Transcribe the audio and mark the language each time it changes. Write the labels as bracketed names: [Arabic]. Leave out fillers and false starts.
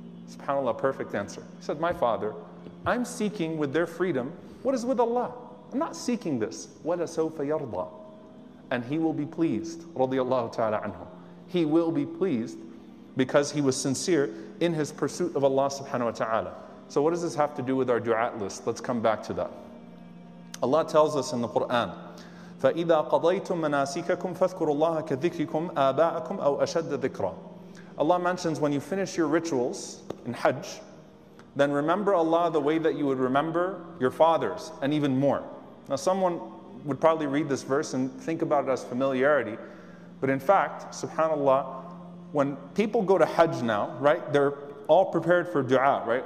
[English] SubhanAllah, perfect answer. He said, my father, I'm seeking with their freedom what is with Allah. I'm not seeking this. [Arabic] وَلَا سَوْفَ يَرْضَى. [English] And he will be pleased, رضي الله تعالى عنه. He will be pleased because he was sincere in his pursuit of Allah subhanahu wa ta'ala. So what does this have to do with our dua list? Let's come back to that. Allah tells us in the Quran, [Arabic] فَإِذَا قَضَيْتُم مَنَاسِكَكُمْ فَاذْكُرُوا اللَّهَ كَذِكْرِكُمْ آبَاءَكُمْ أَوْ أَشَدَّ ذِكْرًا. [English] Allah mentions, when you finish your rituals in Hajj, then remember Allah the way that you would remember your fathers, and even more. Now someone would probably read this verse and think about it as familiarity, but in fact, subhanAllah, when people go to Hajj now, right, they're all prepared for dua, right?